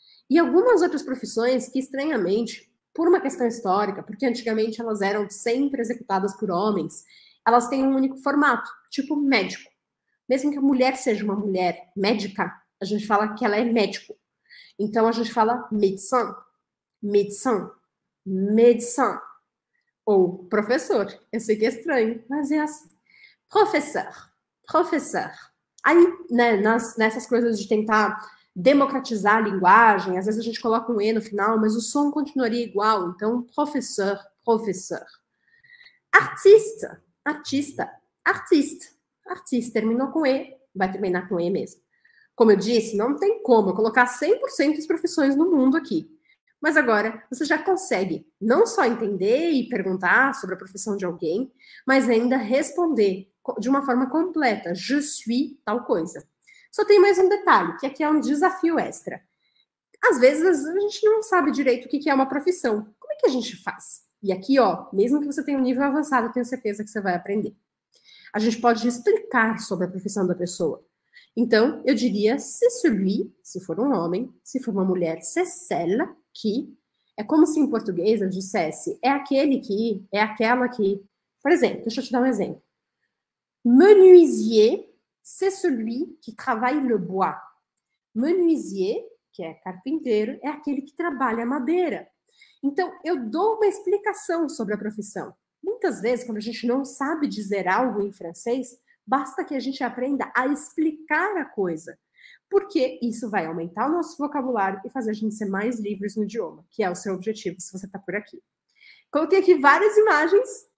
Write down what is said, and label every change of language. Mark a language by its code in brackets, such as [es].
[pt] E algumas outras profissões que, estranhamente, por uma questão histórica, porque antigamente elas eram sempre executadas por homens, elas têm um único formato, tipo médico. Mesmo que a mulher seja uma mulher médica, a gente fala que ela é médico. Então a gente fala médecin, médecin, médecin. Ou professor. Eu sei que é estranho, mas é assim. [fr] Professeur, professeur. [pt] Aí, né, nessas coisas de tentar democratizar a linguagem, às vezes a gente coloca um E no final, mas o som continuaria igual. Então, professor, professor. Artista, artista, artista. Artista terminou com E, vai terminar com E mesmo. Como eu disse, não tem como eu colocar 100% das profissões no mundo aqui. Mas agora você já consegue não só entender e perguntar sobre a profissão de alguém, mas ainda responder de uma forma completa: [fr] je suis [pt] tal coisa. Só tem mais um detalhe, que aqui é um desafio extra. Às vezes a gente não sabe direito o que é uma profissão. Como é que a gente faz? E aqui, ó, mesmo que você tenha um nível avançado, eu tenho certeza que você vai aprender. A gente pode explicar sobre a profissão da pessoa. Então, eu diria celui, se for um homem, se for uma mulher, [fr] c'est celle qui. [pt] É como se em português eu dissesse, é aquele que, é aquela que. Por exemplo, deixa eu te dar um exemplo. [fr] Menuisier. C'est celui qui travaille le bois. [pt] Menuisier, que é carpinteiro, é aquele que trabalha a madeira. Então, eu dou uma explicação sobre a profissão. Muitas vezes, quando a gente não sabe dizer algo em francês, basta que a gente aprenda a explicar a coisa, porque isso vai aumentar o nosso vocabulário e fazer a gente ser mais livres no idioma, que é o seu objetivo, se você está por aqui. Coloquei aqui várias imagens